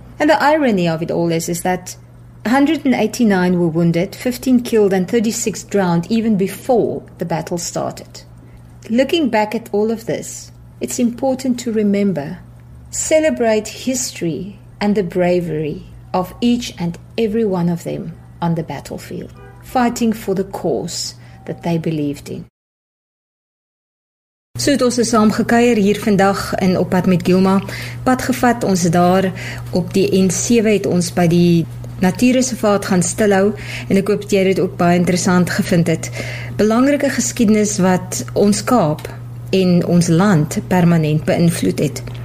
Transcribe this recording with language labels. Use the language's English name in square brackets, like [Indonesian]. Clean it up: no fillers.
[English] And the irony of it all is that 189 were wounded, 15 killed and 36 drowned even before the battle started. Looking back at all of this, it's important to remember, celebrate history and the bravery of each and every one of them on the battlefield, fighting for the cause that they believed in. [Afrikaans] So het ons saam gekuier hier vandag in Op Pad met Gilma. Pad gevat ons daar op die N7 het ons by die natuurreservaat gaan stilhou en ek hoop dat jy dit ook baie interessant gevind het. Belangrike geskiedenis wat ons Kaap en ons land permanent beïnvloed het.